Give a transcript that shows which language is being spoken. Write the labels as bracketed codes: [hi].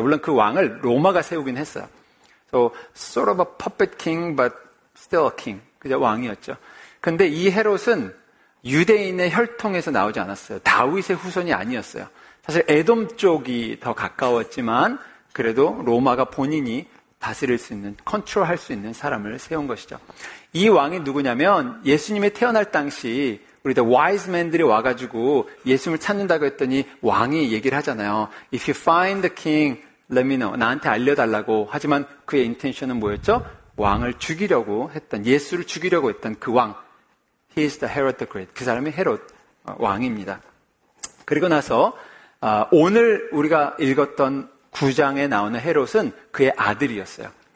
[ko] 물론 그 왕을 로마가 세우긴 했어요. [en] So sort of a puppet king, but still a king. [ko] 그냥 왕이었죠. 근데 이 헤롯은 유대인의 혈통에서 나오지 않았어요. 다윗의 후손이 아니었어요. 사실 에돔 쪽이 더 가까웠지만 그래도 로마가 본인이 다스릴 수 있는, 컨트롤할 수 있는 사람을 세운 것이죠. 이 왕이 누구냐면 예수님이 태어날 당시 우리 the wise men들이 와가지고 예수님을 찾는다고 했더니 왕이 얘기를 하잖아요. [en] If you find the king, let me know. [ko] 나한테 알려달라고. 하지만 그의 intention은 뭐였죠? 왕을 죽이려고 했던, 예수를 죽이려고 했던 그 왕. [en] He is the Herod the Great. [ko] 그 사람이 헤롯 왕입니다. [en] 그리고 나서 오늘 우리가 읽었던 9장에 나오는 헤롯은 그의 아들이었어요.